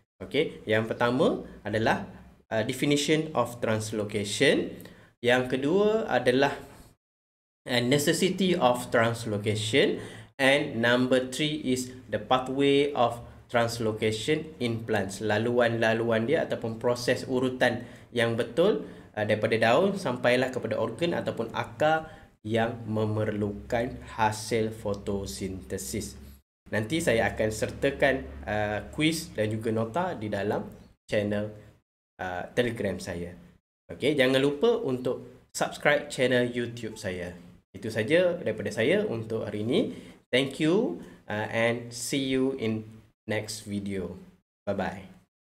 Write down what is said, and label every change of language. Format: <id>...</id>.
<en>Okay,</en> <ms>yang pertama adalah</ms> <en>definition of translocation.</en> <ms>Yang kedua adalah</ms> <en>necessity of translocation. And number three is the pathway of translocation in plants.</en> <ms>Laluan-laluan dia ataupun proses urutan yang betul daripada daun sampailah kepada organ ataupun akar yang memerlukan hasil fotosintesis. Nanti saya akan sertakan quiz dan juga nota di dalam channel Telegram saya. Okay, jangan lupa untuk subscribe channel YouTube saya. Itu saja daripada saya untuk hari ini.</ms> <en>Thank you and see you in next video. Bye-bye.</en>